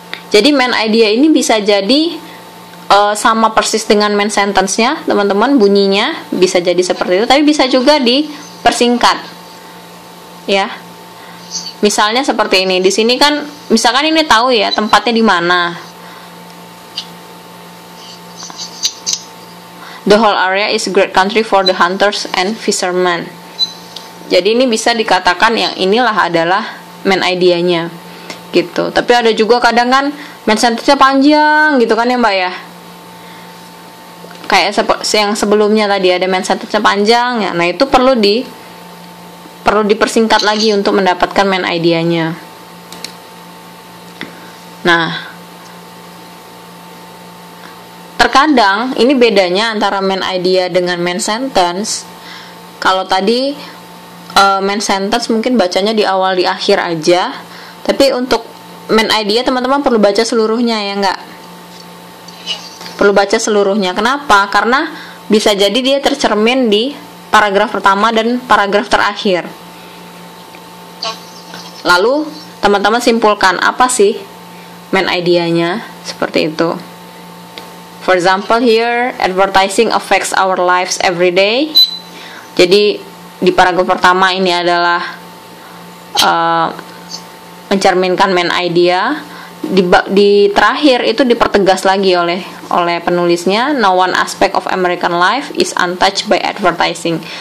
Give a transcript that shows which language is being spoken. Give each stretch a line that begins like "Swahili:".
Indonesian: Jadi main idea ini bisa jadi sama persis dengan main sentence-nya, teman-teman, bunyinya bisa jadi seperti itu, tapi bisa juga dipersingkat. Ya. Misalnya seperti ini. Di sini kan misalkan ini tahu ya tempatnya di mana.
English: The whole area is great country for the hunters and fishermen.
Indonesian: Jadi ini bisa dikatakan yang inilah adalah main idea-nya. Gitu. Tapi ada juga kadang kan main sentence-nya panjang gitu kan ya mbak ya, kayak yang sebelumnya tadi ada main sentence-nya panjang ya. Nah itu perlu dipersingkat lagi untuk mendapatkan main idea-nya. Nah terkadang ini bedanya antara main idea dengan main sentence. Kalau tadi main sentence mungkin bacanya di awal di akhir aja, tapi untuk main idea teman-teman perlu baca seluruhnya ya enggak? Perlu baca seluruhnya. Kenapa? Karena bisa jadi dia tercermin di paragraf pertama dan paragraf terakhir. Lalu teman-teman simpulkan apa sih main idea-nya seperti itu.
English: For example here, advertising affects our lives every day.
Indonesian: Jadi di paragraf pertama ini adalah mencerminkan main idea. Di terakhir itu dipertegas lagi oleh penulisnya,
English: no one aspect of American life is untouched by advertising.